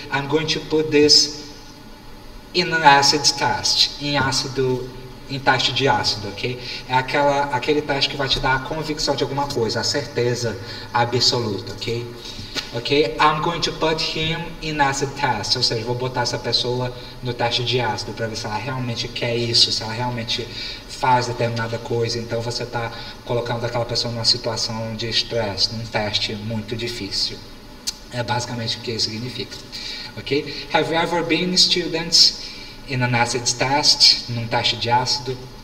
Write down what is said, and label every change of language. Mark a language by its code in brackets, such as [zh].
[en] I'm going to put this in an acid test, [pt] em ácido em teste de ácido, ok? É aquele teste que vai te dar a convicção de alguma coisa, a certeza absoluta, ok? Ok? [en] I'm going to put him in acid test. [pt] Ou seja, vou botar essa pessoa no teste de ácido para ver se ela realmente quer isso, se ela realmente faz determinada coisa. Então você está colocando aquela pessoa numa situação de estresse, num teste muito difícil. É basicamente o que isso significa. Ok? [en] Have you ever been students in an acid test, [pt] num teste de ácido?